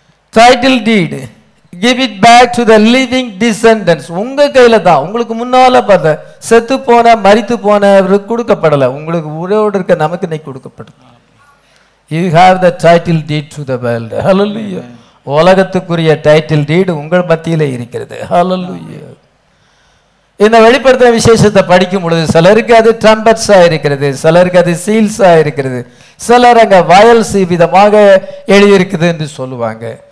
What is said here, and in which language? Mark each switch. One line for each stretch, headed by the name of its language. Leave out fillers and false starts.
English: Title deed. Give it back to the living descendants.
Tamil: உங்க கையில தான், உங்களுக்கு முன்னால பார்த்த செத்து போன மரித்து போனவருக்கு கொடுக்கப்படல, உங்களுக்கு உறவோடு இருக்க நமக்கு நீ கொடுக்கப்படும்.
English: You have the title deed to the world. Hallelujah.
Tamil: உலகத்துக்குரிய title deed உங்கள் மத்தியில இருக்கிறது. Hallelujah. இந்த வெளிப்படுத்தின விசேஷத்தை படிக்கும் பொழுது சிலருக்கு அது ட்ரம்பட்ஸாக இருக்கிறது, சிலருக்கு அது சீல்ஸாக இருக்கிறது, சிலர் அங்கே வயல்ஸ் விதமாக எழுதியிருக்குது என்று சொல்லுவாங்க.